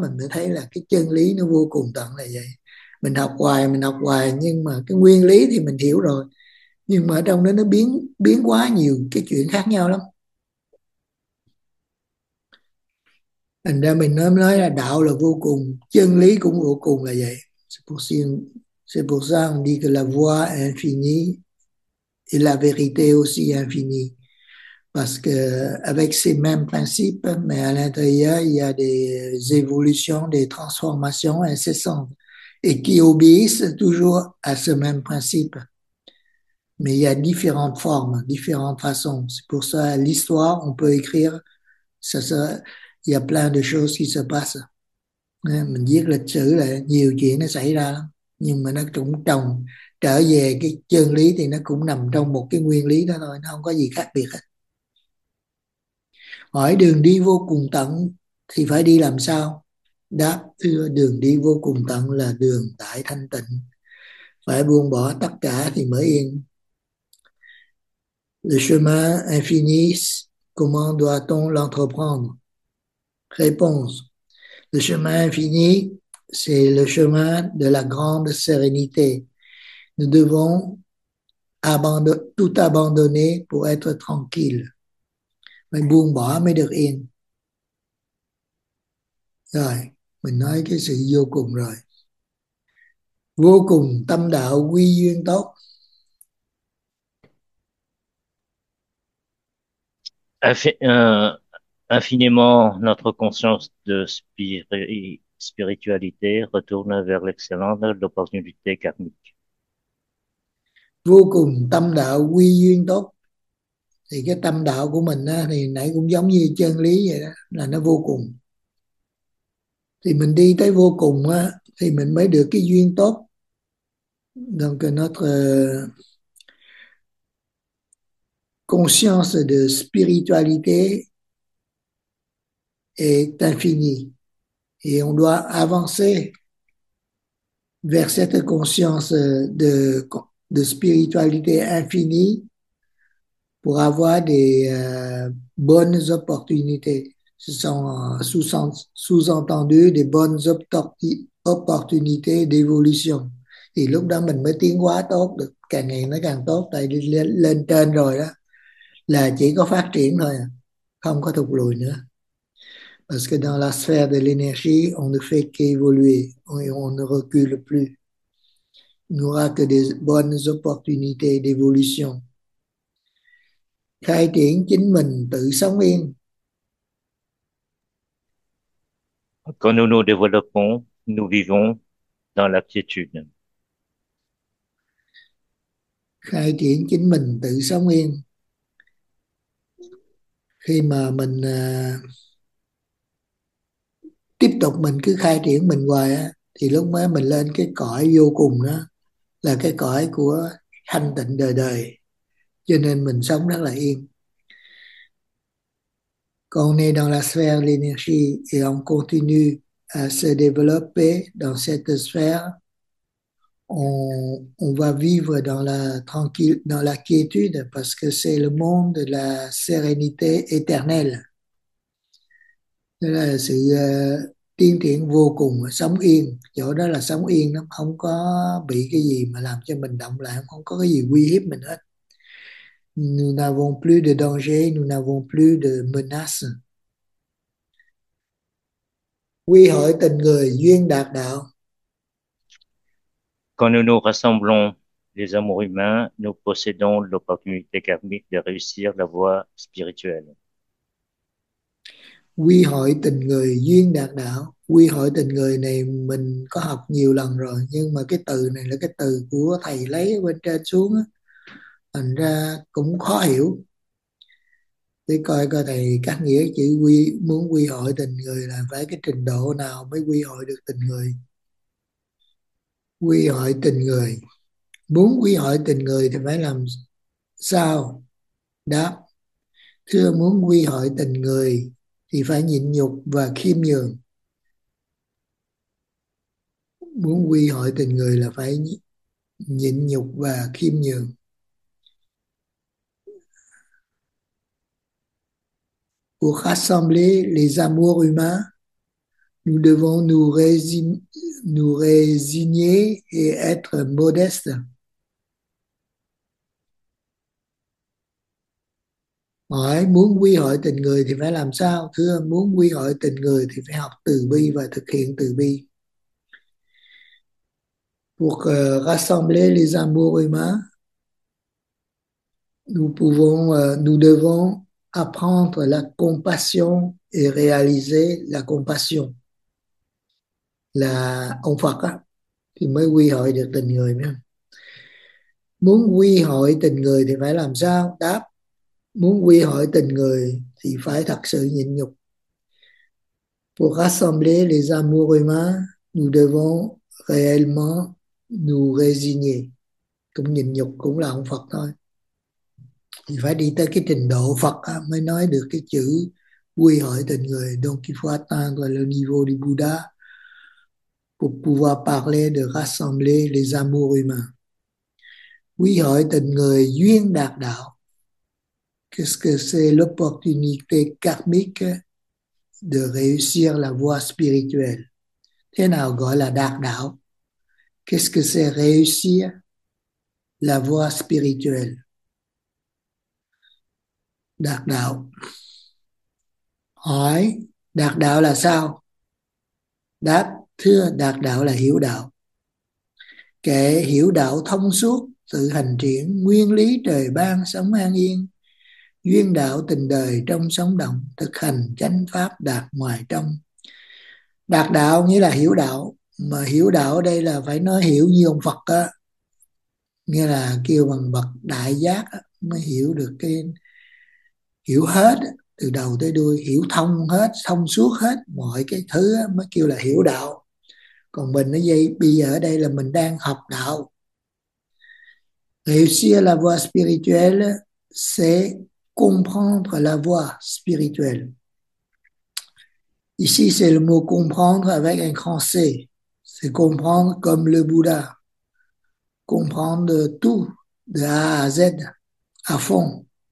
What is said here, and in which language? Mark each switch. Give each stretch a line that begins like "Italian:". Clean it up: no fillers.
Vietnamese: Mình mới thấy là cái chân lý nó vô cùng tận là vậy. Mình học hoài nhưng mà cái nguyên lý thì mình hiểu rồi, nhưng mà trong đó nó biến biến quá nhiều cái chuyện khác nhau lắm. Thành ra mình nói là đạo là vô cùng, chân lý cũng vô cùng là vậy.
French: C'est pour ça on dit que la voie infinie et la vérité aussi infinie. Parce que avec ces mêmes principes, mais à l'intérieur, il y a des évolutions, des transformations incessantes et qui obéissent toujours à ce même principe. Mais il y a différentes formes, différentes façons. C'est pour ça, l'histoire, on peut écrire, il y a plein de choses qui se passent.
Vietnamese: Mình viết lịch sử là nhiều chuyện nó xảy ra lắm, nhưng mà nó cũng trở về cái chân lý thì nó cũng nằm trong một cái nguyên lý đó thôi, nó không có gì khác biệt hết. Hỏi đường đi vô cùng tận thì phải đi làm sao? Đáp, đường đi vô cùng tận là đường tại thanh tịnh. Phải buông bỏ tất cả thì mới yên.
French: Le chemin infini, comment doit-on l'entreprendre? Réponse. Le chemin infini, c'est le chemin de la grande sérénité. Nous devons tout abandonner pour être tranquille.
Vietnamese: Mình buông bỏ mới được yên. Rồi, mình nói cái sự vô cùng rồi. Vô cùng tâm đạo quy duyên tốt.
French: Infiniment, notre conscience de spiritualité retourne vers l'excellence de l'opportunité karmique.
Vietnamese: Vô cùng tâm đạo quy duyên tốt. Thì cái tâm đạo của mình á, thì nãy cũng giống như chân lý vậy đó, là nó vô cùng. Thì mình đi tới vô cùng á, thì mình mới được cái duyên tốt.
French: Donc notre conscience de spiritualité est infinie. Et on doit avancer vers cette conscience de spiritualité infinie pour avoir des bonnes opportunités. Ce sont sous-entendus des bonnes opportunités d'évolution.
Vietnamese: Et lúc đó mình mới tiến hóa tốt được, càng ngày nó càng tốt, tại đi lên trên rồi đó, là chỉ có phát triển thôi, không có thụt lùi nữa.
French: Parce que dans la sphère de l'énergie, on ne fait qu'évoluer, on ne recule plus. n'aura que des bonnes opportunités d'évolution.
Vietnamese: Khai triển chính mình tự sống yên.
French: Quand nous nous développons, nous vivons dans l'aptitude.
Vietnamese: Khai triển chính mình tự sống yên. Khi mà mình tiếp tục mình cứ khai triển mình hoài á, thì lúc mới mình lên cái cõi vô cùng đó, là cái cõi của thanh tịnh đời đời, cho nên mình sống rất là yên. Còn nè,
French: dans la sphère l'énergie et on continue à se développer dans cette sphère, on va vivre dans la tranquille, dans la quiétude, parce que c'est le monde de la sérénité éternelle.
Vietnamese: Đó là sự tiến triển vô cùng, sống yên. Chỗ đó là sống yên lắm, không có bị cái gì mà làm cho mình động loạn, không có cái gì uy hiếp mình hết.
French: Nous n'avons plus de danger, nous n'avons plus de menace.
Vietnamese: Quy hội tình người, duyên đạt đạo.
French: Quand nous nous rassemblons les amours humains, nous possédons l'opportunité karmique de réussir la voie spirituelle.
Vietnamese: Quy hội tình người, duyên đạt đạo. Quy hội tình người này mình có học nhiều lần rồi, nhưng mà cái từ này là cái từ của thầy lấy bên trên xuống á, thành ra cũng khó hiểu. Để coi coi thầy cắt nghĩa chữ quy, muốn quy hội tình người là phải cái trình độ nào mới quy hội được tình người. Quy hội tình người, muốn quy hội tình người thì phải làm sao? Đáp: thưa, muốn quy hội tình người thì phải nhịn nhục và khiêm nhường. Muốn quy hội tình người là phải nhịn nhục và khiêm nhường.
French: Pour rassembler les amours humains, nous résigner et être modestes.
Vietnamese: Hỏi: muốn quy hội tình người thì phải làm sao? Thưa, muốn quy hội tình người thì phải học từ bi và thực hiện từ bi.
French: Pour rassembler les amours humains, nous devons apprendre la compassion et réaliser la compassion.
Vietnamese: Là ông Phật á, thì mới quy hội được tình người nữa. Muốn quy hội tình người thì phải làm sao? Đáp: muốn quy hội tình người thì phải thật sự nhịn nhục.
French: Pour rassembler les amours humains, nous devons réellement nous résigner.
Vietnamese: Cũng nhịn nhục cũng là ông Phật thôi. Thì phải đi tới cái trình độ Phật á, mới nói được cái chữ quy hội tình người.
French: Donc il faut atteindre le niveau du Bouddha pour pouvoir parler de rassembler les amours humains.
Vietnamese: Quy hội tình người, duyên đạt đạo.
French: Qu'est-ce que c'est l'opportunité karmique de réussir la voie spirituelle?
Vietnamese: Thế nào gọi là đạt đạo?
French: Qu'est-ce que c'est réussir la voie spirituelle?
Vietnamese: Đạt đạo. Hỏi: đạt đạo là sao? Đáp: thưa, đạt đạo là hiểu đạo. Kệ: hiểu đạo thông suốt, tự hành triển, nguyên lý trời ban, sống an yên. Duyên đạo tình đời trong sống động, thực hành chánh pháp đạt ngoài trong. Đạt đạo nghĩa là hiểu đạo, mà hiểu đạo đây là phải nói hiểu như ông Phật á, nghĩa là kêu bằng bậc đại giác á, mới hiểu được cái, hiểu hết từ đầu tới đuôi, hiểu thông hết, thông suốt hết mọi cái thứ á, mới kêu là hiểu đạo. Còn mình ở đây, bây giờ ở đây là mình đang học đạo.
French: Réussir la voie spirituelle, c'est comprendre la voie spirituelle. Ici, c'est le mot comprendre avec un grand C. C'est comprendre comme le Bouddha. Comprendre tout, de A à Z, à fond.